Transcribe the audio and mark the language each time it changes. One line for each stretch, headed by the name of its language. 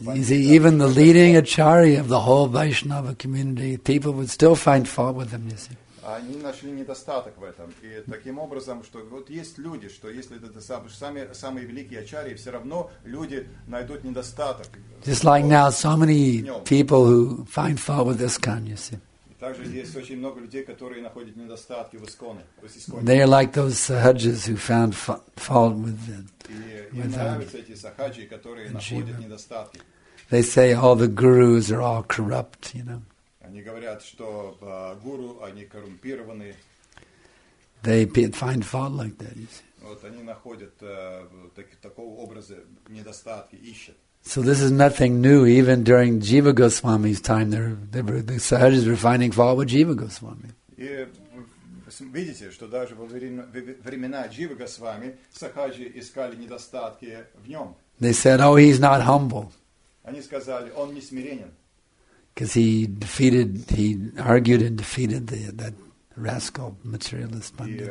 English: Even the leading acharya of the whole Vaishnava community, people would still find fault with them, you see.
Russian: Они нашли недостаток в этом. И таким образом, что вот есть люди, что если это сами, самые великие ачарьи, все равно люди найдут недостаток.
English: Just like now, so many people who find fault with ISKCON, you see.
Russian: Также есть очень много людей, которые находят недостатки в ИСКОНе.
English: They are like those sahajas who found fault with the Jiva. They say all the gurus are all corrupt, you know.
Russian: Они говорят, что гуру, они коррумпированы.
English: They find fault like that, you see.
Russian: Вот они находят такого образа недостатки, ищут.
English: So this is nothing new. Even during Jiva Goswami's time, the sahajas were finding fault with Jiva Goswami.
Russian: И видите, что даже во времена Jiva Goswami сахаджи искали недостатки в нем.
English: They said, oh, he's not humble.
Russian: Они сказали, он не смиренен.
English: Because he argued and defeated that rascal materialist pundit.